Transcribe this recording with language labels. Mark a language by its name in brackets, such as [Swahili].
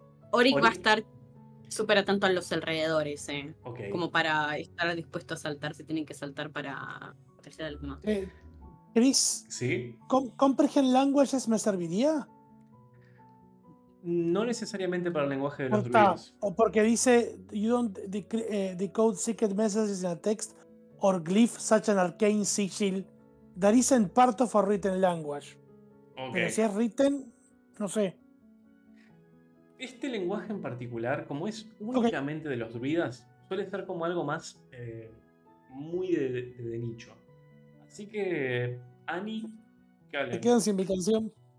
[Spanish] Oric va a estar súper atento a los alrededores, ¿eh? Ok. Como para estar dispuesto a saltar si tienen que saltar para hacer algo más. Chris. Sí. ¿Comprehend Languages me serviría? No necesariamente para el lenguaje de los druidas. O porque dice [English] you don't decode secret messages in a text or glyph such an arcane sigil that isn't part of a written language. Okay. [Spanish] Pero si es written, no sé. Este lenguaje en particular, como es únicamente de los druidas, suele ser como algo más muy de nicho. Así que, Ani, ¿te quedan sin mi canción?